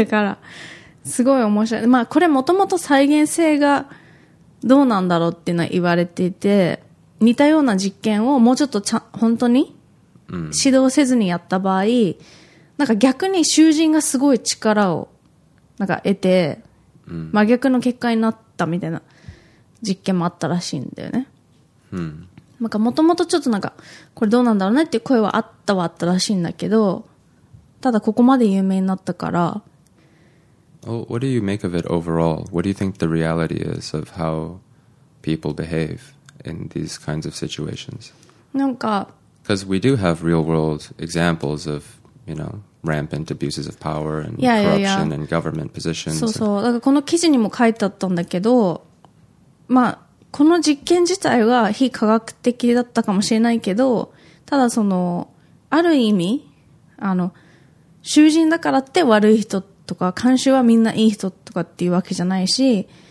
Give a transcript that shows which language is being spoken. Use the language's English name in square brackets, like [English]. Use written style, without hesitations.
[Japanese] だからすごい面白い。まあこれもともと再現性がどうなんだろうっていうのは言われていて、似たような実験をもうちょっとちゃ本当に指導せずにやった場合、なんか逆に囚人がすごい力をなんか得て真逆の結果になったみたいな実験もあったらしいんだよね。なんかもともとちょっとなんかこれどうなんだろうねっていう声はあったはあったらしいんだけど、ただここまで有名になったから。 [English] Well, what do you make of it overall? What do you think the reality is of how people behave in these kinds of situations? [Japanese] なんか [English] Because we do have real world examples of, you know, rampant abuses of power and corruption and government positions. [Japanese] そうそう、だからこの記事にも書いてあったんだけど、まあこの実験自体は非科学的だったかもしれないけど、ただそのある意味あの囚人だからって悪い人とか監視はみんないい人とかっていうわけじゃないし、